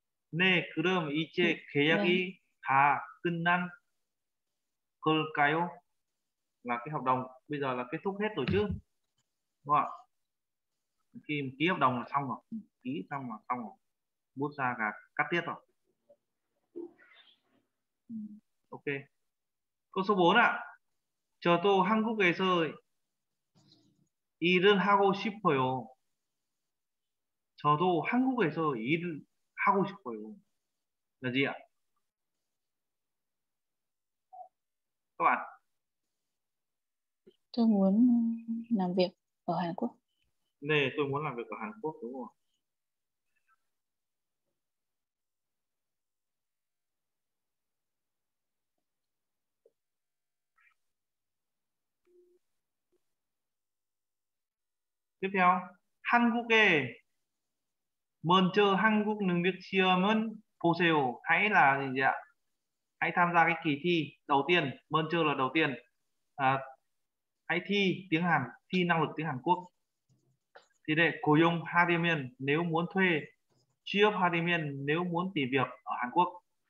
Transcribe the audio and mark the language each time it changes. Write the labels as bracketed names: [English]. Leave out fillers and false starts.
[Korean] Nè, 그럼 이제 계약이 다 끝난 걸까요? [Vietnamese] Là cái hợp đồng bây giờ là kết thúc hết rồi chứ, đúng không? Khi ký hợp đồng là xong rồi, ký xong là xong rồi, bút ra cả cắt tiết rồi. Ok. Câu số 4 ạ. [Korean] 저도 한국에서 일을 하고 싶어요. 저도 한국에서 일을 하고 싶어요. [Vietnamese] Là gì ạ? Các bạn. Tôi muốn làm việc ở Hàn Quốc. Nè, tôi muốn làm việc ở Hàn Quốc, đúng không? Tiếp theo, [Korean] 한국에 먼저 한국 능력 시험은 보세요. [Vietnamese] Hãy là gì ạ? Hãy tham gia cái kỳ thi đầu tiên. [Korean] 먼저 [Vietnamese] là đầu tiên. Hãy thi tiếng Hàn, thi năng lực tiếng Hàn Quốc. Thì đây, [Korean] 고용 하려면 [Vietnamese] nếu muốn thuê, [Korean] 취업 하려면 [Vietnamese] nếu muốn tìm việc ở Hàn Quốc.